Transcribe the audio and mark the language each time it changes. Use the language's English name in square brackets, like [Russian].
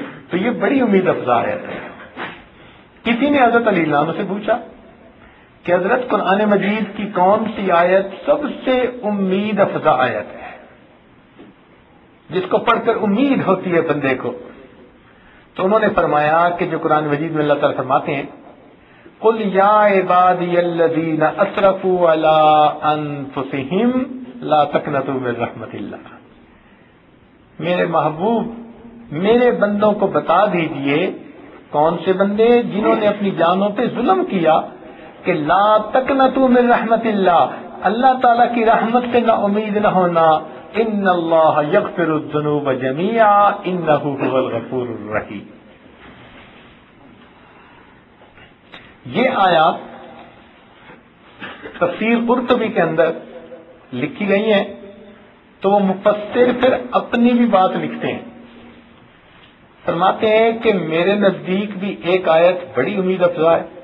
[Urdu] تو یہ بڑی امید افزا ہے. کسی نے حضرت علی اللہ عنہ سے پوچھا کہ حضرت قرآن مجید کی کون سی آیت سب سے امید افزا آیت ہے جس کو پڑھ کر امید ہوتی ہے بندے کو؟ تو انہوں نے فرمایا کہ جو قرآن مجید میں اللہ تعالیٰ فرماتے ہیں قل یا عبادی الذین اسرفوا علی انفسہم لا تقنطوا من رحمت اللہ، میرے محبوب میرے بندوں کو بتا دیجئے کون سے بندے جنہوں نے اپنی جانوں پہ ظلم کیا کہ لا تقنطوا من رحمت اللہ، اللہ تعالیٰ کی رحمت سے نہ امید نہ ہونا. [Arabic] ان اللہ یغفر الذنوب جميعا انه هو الغفور الرحیم. [Urdu] یہ آیات تفسیر قرطبی کے اندر لکھی گئی ہیں تو وہ مفسر پھر اپنی بھی بات لکھتے ہیں، فرماتے ہیں کہ میرے نزدیک بھی ایک آیت بڑی امید افزا ہے.